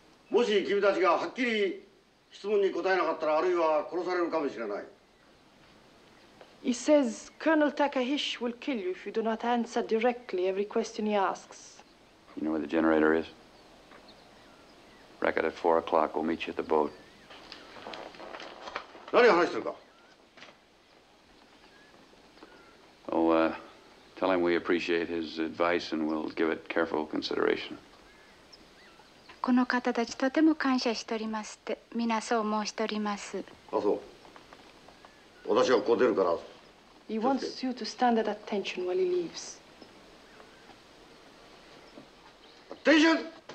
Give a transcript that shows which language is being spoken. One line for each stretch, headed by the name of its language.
Japanese: もし君たちがはっきり質問に答えなかったら、あるいは殺されるかもしれない。
English: He says Colonel Takahish will kill you if you do not answer directly every question he asks. You know where the generator is? Record at 4 o'clock. We'll meet you at the boat.
Japanese: 何話してるか。
English: Tell him we appreciate his advice and we'll give it careful consideration.
Japanese: この方たちとても感謝しておりますって、みなそう申しております。あ、そう。私がここ出るから。
English: He wants you to stand at attention while he leaves. Attention!